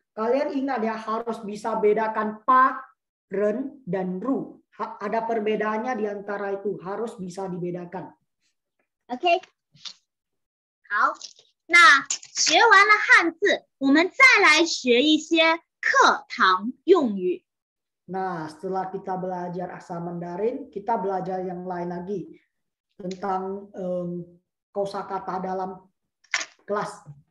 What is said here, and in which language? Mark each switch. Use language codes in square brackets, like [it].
[id] Kalian ingat ya, harus bisa bedakan pa, ren, dan ru. Ada perbedaannya di antara itu, harus bisa dibedakan. [zh] OK， 好，那。学完了汉字，我们再来学一些课堂用语. [id] Nah, setelah kita belajar asal Mandarin, kita belajar yang lain lagi tentang kosakata dalam kelas.